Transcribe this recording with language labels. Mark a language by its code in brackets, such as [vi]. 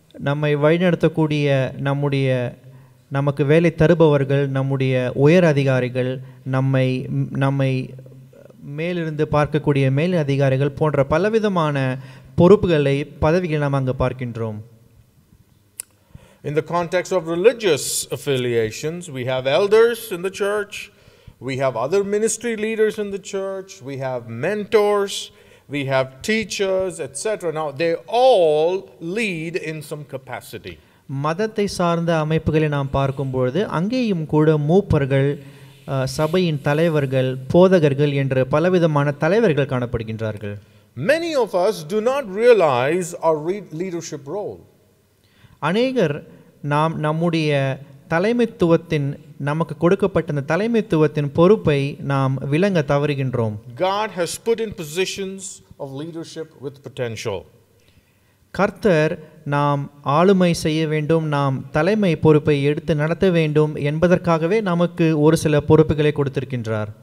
[ta] நம்மை வழிநடத்தக்கூடிய நம்முடைய நமக்கு வேலை தருபவர்கள், நம்முடைய உயர் அதிகாரிகள், நம்மை மேலிருந்து பார்க்கக்கூடிய மேல் அதிகாரிகள் போன்ற பலவிதமான பொறுப்புகளை பதவிகளை நாம் அங்கு பார்க்கின்றோம். [en] In the context of religious affiliations, we have elders in the church, we have other ministry leaders in the church, we have mentors, we have teachers, etc. Now they all lead in some capacity. [ta] மதத்தை சார்ந்த அமைப்புகளை நாம் பார்க்கும் பொழுது அங்கேயும் கூட மூப்பர்கள், சபையின் தலைவர்கள், போதகர்கள் என்ற பலவிதமான தலைவர்கள் காணப்படுகின்றார்கள். [en] Many of us do not realize our leadership role. [ta] அநேகர் நாம் நம்முடைய தலைமைத்துவத்தின் நமக்கு கொடுக்கப்பட்ட அந்த தலைமைத்துவத்தின் பொறுப்பை நாம் விளங்க தவறுகின்றோம். [en] God has put in positions of leadership with potential. [ta] கர்த்தர் நாம் ஆளுமை செய்ய வேண்டும், நாம் தலைமை பொறுப்பை எடுத்து நடத்த வேண்டும் என்பதற்காகவே நமக்கு ஒரு சில பொறுப்புகளை கொடுத்திருக்கின்றார்.